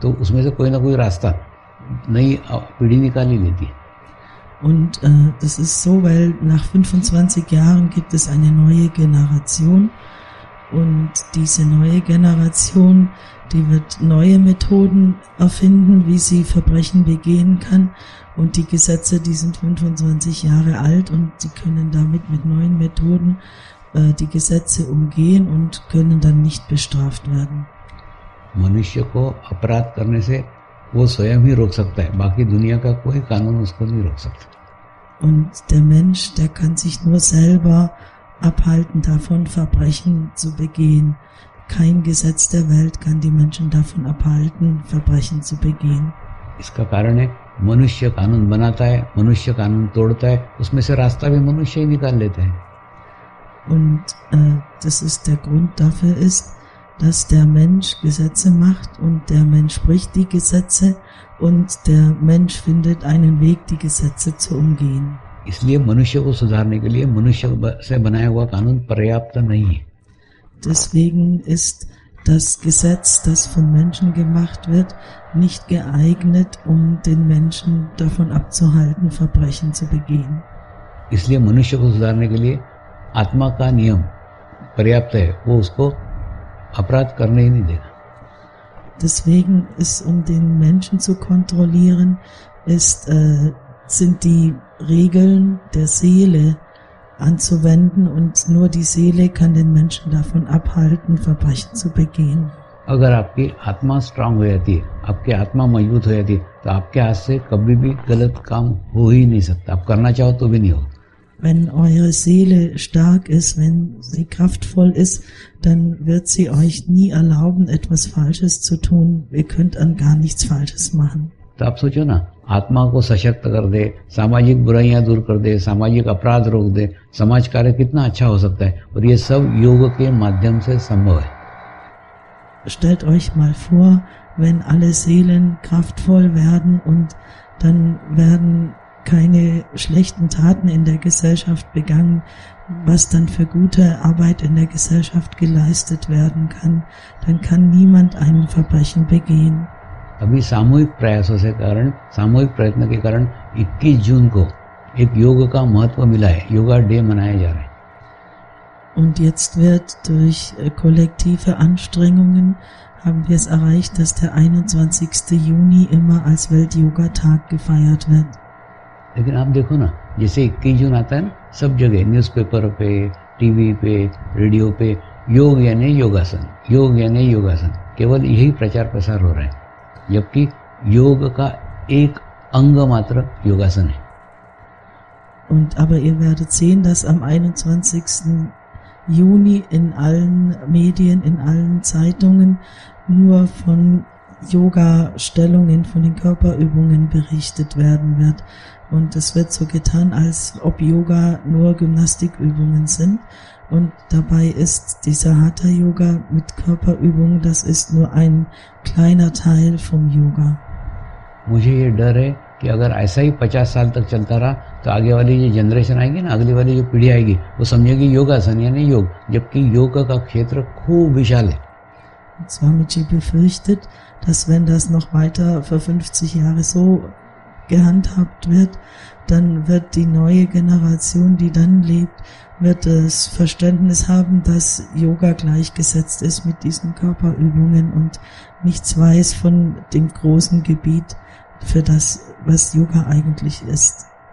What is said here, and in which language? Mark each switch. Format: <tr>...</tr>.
<hi>तो उसमें से कोई ना कोई रास्ता नई पीढ़ी निकाली लेती है।</hi> <de>Und das ist so, weil nach 25 Jahren gibt es eine neue Generation und diese neue Generation, die wird neue Methoden erfinden, wie sie Verbrechen begehen kann und die Gesetze, die sind 25 Jahre alt und sie können damit mit neuen Methoden die Gesetze umgehen und können dann nicht bestraft werden.</de> <hi>Manushya ko aparadh karne se वो स्वयं ही रोक सकता है बाकी दुनिया का कोई कानून उसको नहीं रोक सकता</hi> <de>Und der Mensch, der kann sich nur selber abhalten davon Verbrechen zu begehen. Kein Gesetz der Welt kann die Menschen davon abhalten Verbrechen zu begehen.</de> <hi>इसका कारण है मनुष्य कानून बनाता है मनुष्य कानून तोड़ता है उसमें से रास्ता भी मनुष्य ही निकाल लेते हैं</hi> <de>Und das ist der Grund dafür ist dass der Mensch Gesetze macht und der Mensch bricht die Gesetze und der Mensch findet einen Weg, die Gesetze zu umgehen.</de> <hi>इसलिए मनुष्य को सुधारने के लिए मनुष्य से बनाया हुआ कानून पर्याप्त नहीं है।</hi> <de>Deswegen ist das Gesetz, das von Menschen gemacht wird, nicht geeignet, um den Menschen davon abzuhalten, Verbrechen zu begehen.</de> <hi>इसलिए मनुष्य को सुधारने के लिए आत्मा का नियम पर्याप्त है, वो उसको अपराध करने ही नहीं देगा।</hi> <de>Deswegen ist, um den Menschen zu kontrollieren, sind die Regeln der Seele anzuwenden und nur die Seele kann den Menschen davon abhalten, Verbrechen zu begehen.</de> <hi>अगर आपकी आत्मा स्ट्रांग हो जाती है, आपकी आत्मा मजबूत हो जाती है, तो आपके हाथ से कभी भी गलत काम हो ही नहीं सकता। आप करना चाहो तो भी नहीं हो।</hi> <de>Wenn eure Seele stark ist, wenn sie kraftvoll ist, dann wird sie euch nie erlauben, etwas Falsches zu tun. Ihr könnt an gar nichts Falsches machen.</de> <hi>तो आप सोचो ना, आत्मा को सशक्त कर दे, सामाजिक बुराइयां दूर कर दे, सामाजिक अपराध रोक दे, समाज कार्य कितना अच्छा हो सकता है, और ये सब योग के माध्यम से संभव है।</hi> <de>Stellt euch mal vor, wenn alle Seelen kraftvoll werden und dann werden keine schlechten Taten in der Gesellschaft begangen, was dann für gute Arbeit in der Gesellschaft geleistet werden kann, dann kann niemand ein Verbrechen begehen.</de> <hi>अभी सामूहिक प्रयासों से कारण, सामूहिक प्रयत्न के कारण 21 जून को एक योग का महत्व मिला है, योगा डे मनाया जा रहा है।</hi> <de>Und jetzt wird durch kollektive Anstrengungen haben wir es erreicht, dass der 21. Juni immer als Welt-Yoga-Tag gefeiert wird.</de> <hi>लेकिन आप देखो ना, जैसे 21 जून आता है ना, सब जगह न्यूज़पेपर पे, टीवी पे, रेडियो पे योग यानी योगासन, योग यानी योगासन केवल यही प्रचार प्रसार हो रहा है, जबकि योग का एक अंग मात्र योगासन है।</hi> <de>Und aber ihr werdet sehen, dass am 21. Juni in allen Medien, in allen Zeitungen nur von Yoga-Stellungen, von den Körperübungen berichtet werden wird. Und es wird so getan, als ob Yoga nur Gymnastikübungen sind. Und dabei ist dieser Hatha-Yoga mit Körperübungen, das ist nur ein kleiner Teil vom Yoga.</de> <hi>मुझे ये डर है कि अगर ऐसा ही 50 साल तक चलता रहा तो आगे वाली जो जनरेशन आएगी ना, अगली वाली जो पीढ़ी आएगी, वो समझेगी योगासन यानी योग, जबकि योग का क्षेत्र खूब विशाल है।</hi> <de>स्वामी जी befürchtet, dass wenn das noch weiter für 50 Jahre so gehandhabt wird, dann wird die neue Generation, die dann lebt, wird das Verständnis haben, dass Yoga gleichgesetzt ist mit diesen Körperübungen und nichts weiß von dem großen Gebiet für das, was Yoga eigentlich ist.</de>